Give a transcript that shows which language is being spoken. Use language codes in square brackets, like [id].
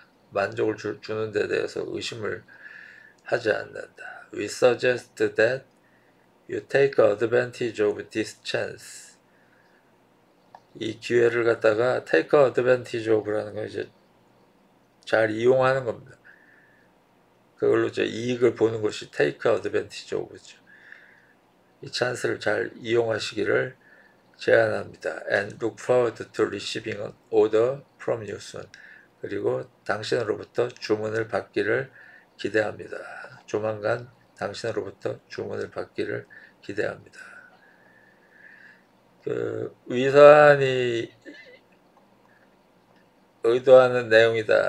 [ko] 만족을 주는 데 대해서 의심을 하지 않는다. [en] We suggest that you take advantage of this chance. [ko] 이 기회를 갖다가 take advantage of라는 건 이제 잘 이용하는 겁니다. 그걸로 이제 이익을 보는 것이 take advantage of죠. 이 찬스를 잘 이용하시기를 제안합니다. [en] And look forward to receiving an order from you soon. [ko] 그리고 당신으로부터 주문을 받기를 기대합니다. 조만간 당신으로부터 주문을 받기를 기대합니다. 위사안이 의도하는 내용이다.